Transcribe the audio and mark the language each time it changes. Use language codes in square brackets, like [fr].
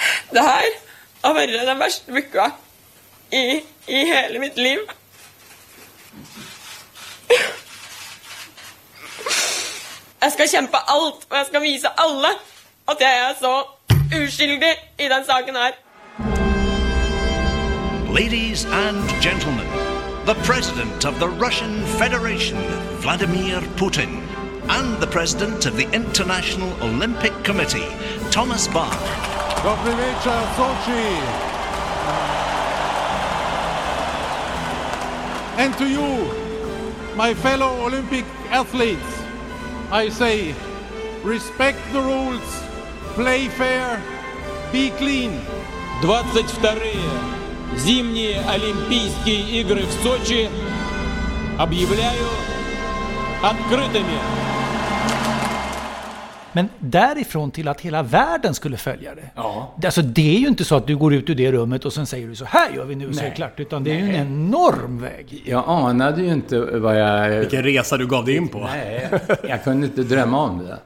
[sv] Det här har varit den värsta vecka i hela mitt liv. Jag ska kämpa allt och jag ska visa alla att jag är så oskyldig i den saken här. [en] Ladies and gentlemen, the president of the Russian Federation, Vladimir Putin, and the president of the International Olympic Committee, Thomas Bach. [ru] Добрый вечер, Сочи! [en] And to you, my fellow Olympic athletes, I say, respect the rules, play fair, be clean. [ru] 22-е зимние Олимпийские игры в Сочи объявляю открытыми. [sv] Men därifrån till att hela världen skulle följa det. Ja. Alltså det är ju inte så att du går ut ur det rummet och sen säger du så här gör vi nu så är klart. Utan det är ju en enorm väg. Jag anade ju inte vad jag... Vilken resa du gav dig in på. Nej, jag kunde inte drömma om det.